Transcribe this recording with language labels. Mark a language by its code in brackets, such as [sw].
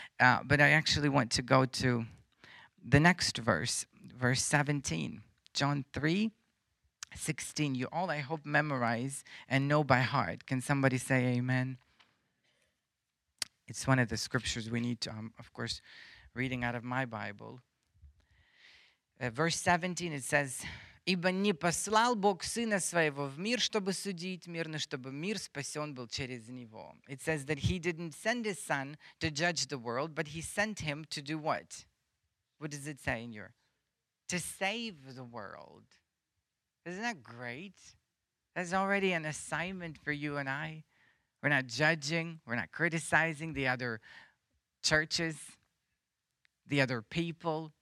[en] But I actually want to go to the next verse, verse 17. John 3:16. You all, I hope, memorize and know by heart. Can somebody say amen? It's one of the scriptures we need to, I'm of course, reading out of my Bible. Verse 17, it says, [ru] Ибо не послал Бог Сына Своего в мир, чтобы судить мир, но чтобы мир спасен был через Него. [en] It says that he didn't send his son to judge the world, but he sent him to do what? What does it say in your? To save the world. Isn't that great? That's already an assignment for you and I. We're not judging, we're not criticizing the other churches, the other people.